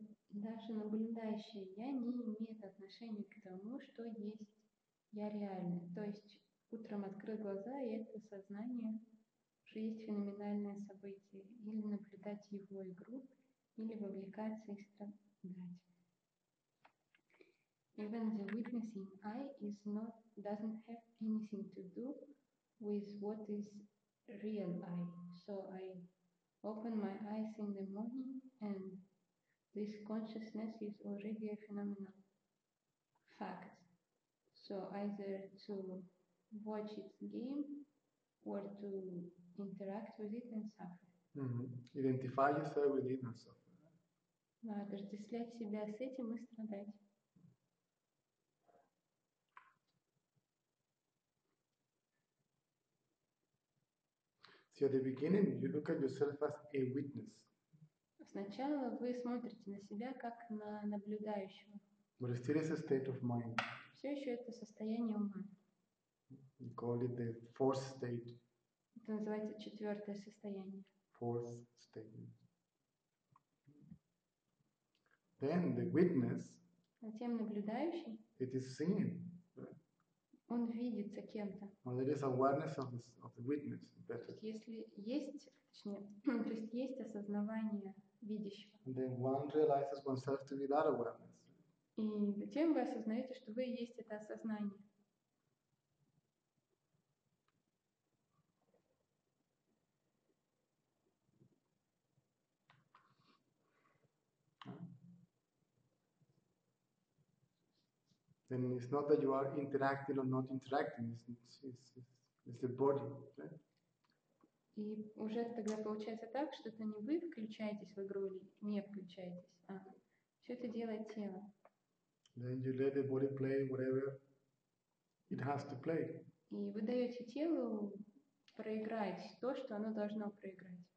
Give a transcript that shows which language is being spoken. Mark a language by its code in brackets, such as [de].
[ru] Даже наблюдающее «я» не имеет отношения к тому, что есть «я» реально. То есть утром открыл глаза, и это сознание уже есть феноменальное событие. Или наблюдать его игру, или вовлекаться и страдать. [en] Even the witnessing I is not, doesn't have anything to do with what is real I. So I open my eyes in the morning and this consciousness is already a phenomenal fact. So either to watch its game or to interact with it and suffer. Mm-hmm. Identify yourself with it and suffer. [ru] Но отождествлять себя с этим и страдать. [en] See, at the beginning you look at yourself as a witness. [ru] Сначала вы смотрите на себя как на наблюдающего. [en] But it still is a state of mind. [ru] Все еще это состояние ума. [en] We call it the fourth state. [ru] Это называется четвертое состояние. [en] Fourth state. Then the witness. [ru] Затем наблюдающий. [en] It is seen. [ru] Он видится кем-то. [en] Well, there is awareness of the witness. Better. [ru] Если есть, точнее, то есть есть осознавание видящего. [en] And then one realizes oneself to be that awareness. [ru] И затем вы осознаете, что вы есть это осознание. [en] Then it's not that you are interacting or not interacting. It's the body, right? [ru] И уже тогда получается так, что это не вы включаетесь в игру или не включаетесь, а все это делает тело. [en] Then you let the body play whatever it has to play. [ru] И вы даете телу проиграть то, что оно должно проиграть.